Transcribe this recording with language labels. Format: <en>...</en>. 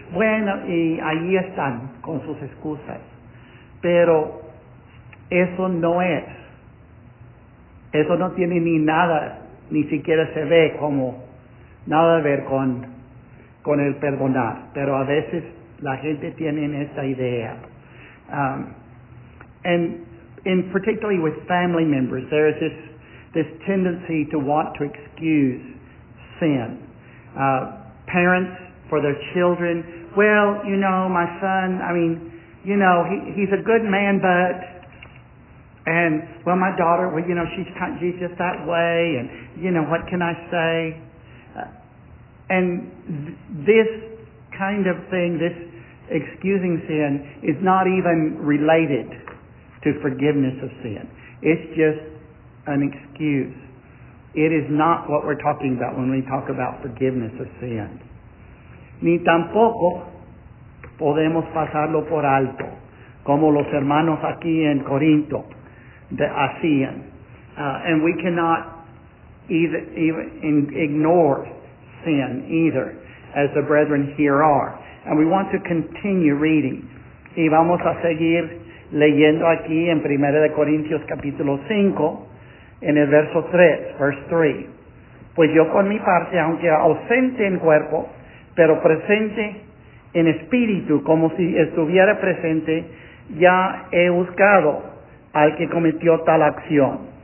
<es>Bueno, y ahí están con sus excusas. Pero eso no es. Eso no tiene ni nada, ni siquiera se ve como nada a ver con el perdonar. Pero a veces la gente tiene esta idea.</es> <en>And in particularly with family members, there is this tendency to want to excuse sin. Parents for their children, well, you know, my son, I mean, you know, he's a good man, but, and, well, my daughter, well, you know, she's just that way, and, you know, what can I say? And this kind of thing, this excusing sin, is not even related to forgiveness of sin. It's just an excuse. It is not what we're talking about when we talk about forgiveness of sin.</en> <es>Ni tampoco podemos pasarlo por alto, como los hermanos aquí en Corinto hacían.</es> <en>And we cannot even ignore sin either, as the brethren here are. And we want to continue reading.</en> <es>Y vamos a seguir leyendo aquí en 1 de Corintios capítulo 5, en el verso 3,</es> <en>verse 3.</en> <es>Pues yo con mi parte, aunque ausente en cuerpo, pero presente en espíritu, como si estuviera presente, ya he juzgado al que cometió tal acción.</es>